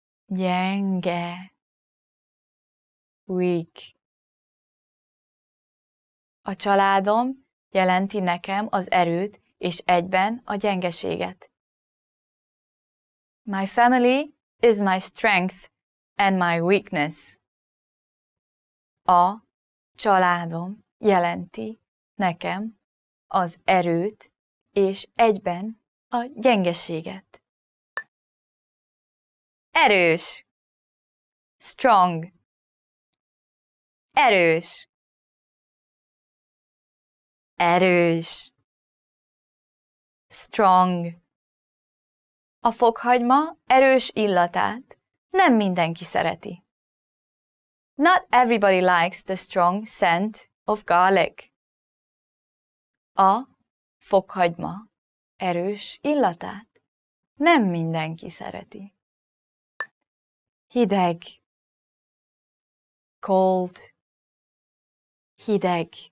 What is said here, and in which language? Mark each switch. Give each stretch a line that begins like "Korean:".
Hungarian: Gyenge.
English: Weak.
Hungarian: A családom jelenti nekem az erőt és egyben a gyengeséget.
English: My family is my strength and my weakness.
Hungarian: A családom jelenti nekem az erőt és egyben a gyengeséget. Erős.
English: Strong.
Hungarian: Erős. Erős.
English: Strong.
Hungarian: A fokhagyma erős illatát nem mindenki szereti.
English: Not everybody likes the strong scent of garlic.
Hungarian: A fokhagyma erős illatát nem mindenki szereti. Hideg.
English: Cold.
Hungarian: Hideg.